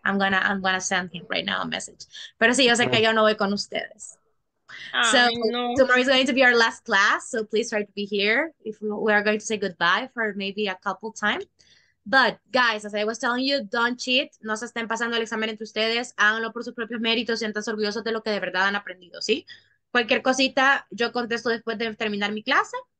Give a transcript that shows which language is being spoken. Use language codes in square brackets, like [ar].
[en] I'm gonna send him right now a message. [es] Pero sí, yo sé que yo no voy con ustedes. [en] Tomorrow is going to be our last class, so please try to be here. If we are going to say goodbye for maybe a couple time. But guys, as I was telling you, don't cheat. [es] No se estén pasando el examen entre ustedes. Háganlo por sus propios méritos. Siéntanse orgullosos de lo que de verdad han aprendido, ¿sí? Cualquier cosita, yo contesto después de terminar mi clase.